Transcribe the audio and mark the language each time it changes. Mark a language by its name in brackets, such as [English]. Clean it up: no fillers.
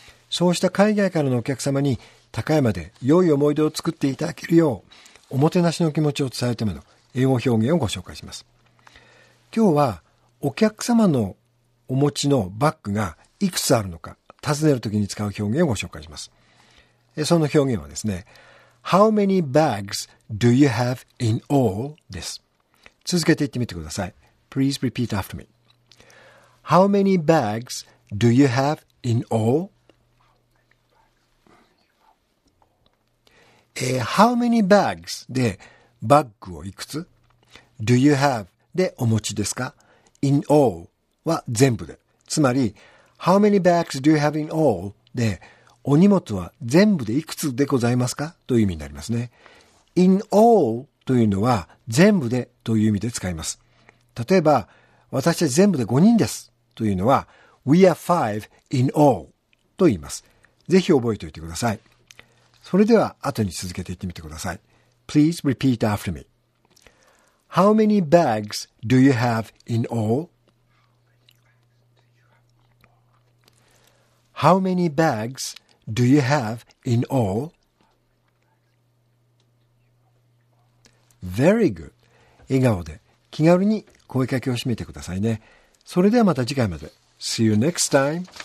[Japanese] そうした海外からのお客様に高山で良い思い出を作っていただけるよう、おもてなしの気持ちを伝えるための英語表現をご紹介します。今日はお客様のお持ちのバッグがいくつあるのか尋ねるときに使う表現をご紹介します。その表現はですね、 [English] How many bags do you have in all? [Japanese] です。続けて言ってみてください。 [English] Please repeat after me. How many bags do you have in all? How many bags? [Japanese] で、バッグをいくつ? [English] Do you have? [Japanese] で、お持ちですか? [English] In all? [Japanese] は全部で。つまり、 [English] How many bags do you have in all? [Japanese] で、お荷物は全部でいくつでございますかという意味になりますね。 [English] In all [Japanese] というのは全部でという意味で使います。例えば、私たち全部で5人ですというのは [English] We are five in all [Japanese] と言います。ぜひ覚えておいてください。それでは後に続けて言ってみてください。 [English] Please repeat after me. How many bags do you have in all? How many bags do you have in all? Very good. [Japanese] 笑顔で気軽に声かけをしてみてくださいね。それではまた次回まで。 [English] See you next time.